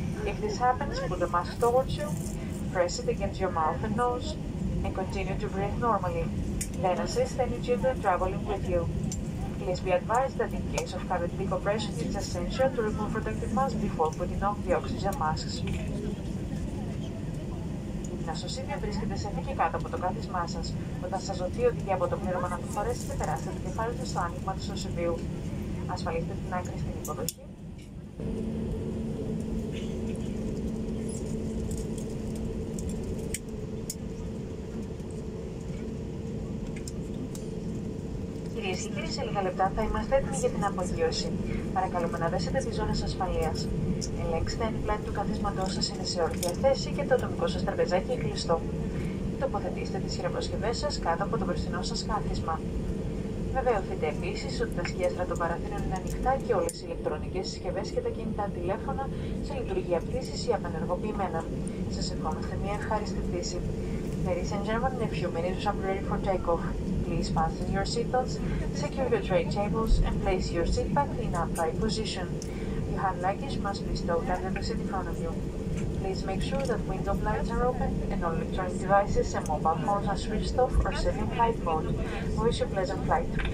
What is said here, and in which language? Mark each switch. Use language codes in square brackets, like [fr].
[en] If this happens, put the mask towards you, press it against your mouth and nose, and continue to breathe normally. Then assist any children traveling with you. Please be advised that in case of cabin decompression, it's essential to remove protective masks before putting on the oxygen masks. [el] Η νοσοσύνη βρίσκεται σε θέση κάτω από το κάθισμά σας. Όταν σας ζωθεί ο οδηγία από το πλήρωμα να το φορέσετε, περάστε το κεφάλι σας στο άνοιγμα του νοσοσημείου. Ασφαλίστε την άκρη στην υποδοχή. Κυρίες και κύριοι, σε λίγα λεπτά θα είμαστε έτοιμοι για την απογείωση. Παρακαλούμε να δέσετε τις ζώνες ασφαλείας. Ελέγξτε αν η πλάτη του καθίσματός σας είναι σε όρθια θέση και το ατομικό σας τραπεζάκι κλειστό. Τοποθετήστε τις χειροπροσκευές σας κάτω από το μπροστινό σας κάθισμα. Βεβαιωθείτε επίσης ότι τα σκίαστρα των παραθύρων είναι ανοιχτά και όλες οι ηλεκτρονικές συσκευές και τα κινητά τηλέφωνα σε λειτουργία πτήσης ή απενεργοποιημένα. Σας ευχόμαστε μια ευχάριστη πτήση. [en] Ladies and gentlemen, in a few minutes I'm ready for takeoff. Please fasten your seatbelts, secure your tray tables, and place your seat back in an upright position. Your hand luggage must be stowed under the seat in front of you. Please make sure that window blinds are open and all electronic devices and mobile phones are switched off or set in flight mode. We wish you a pleasant flight.